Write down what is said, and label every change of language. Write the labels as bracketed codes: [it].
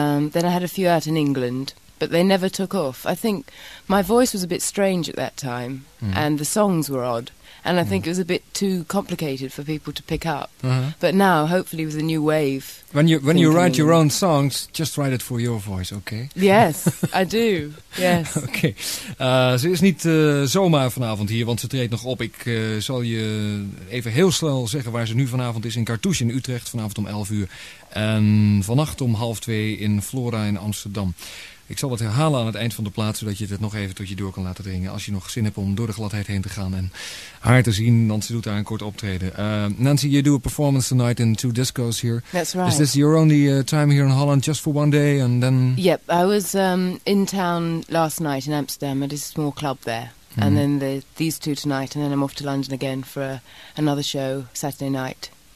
[en] Then I had a few out in England, but they never took off. I think my voice was a bit strange at that time, and the songs were odd, and I think it was a bit too complicated for people to pick up. But now, hopefully, with a new wave, when you write your own songs, just write it for your voice, okay? Yes, I do. Yes. Okay. [nl] Ze is niet zomaar vanavond hier, want ze treedt nog op. Ik zal je even heel snel zeggen waar ze nu vanavond is: in Cartouche in Utrecht, vanavond om 11:00, en vannacht om 13:30 in Flora in Amsterdam. Ik zal het herhalen aan het eind van de plaat, zodat je het nog even tot je door kan laten dringen. Als je nog zin hebt om door de gladheid heen te gaan en haar te zien, dan ze doet daar een kort optreden. [en] Nancy, you do a performance tonight in 2 discos here. That's right. Is this your only time here in Holland, just for one day and then? Yep, I was in town last night in Amsterdam at a small club there. and then these two tonight, and then I'm off to London again for another show Saturday night.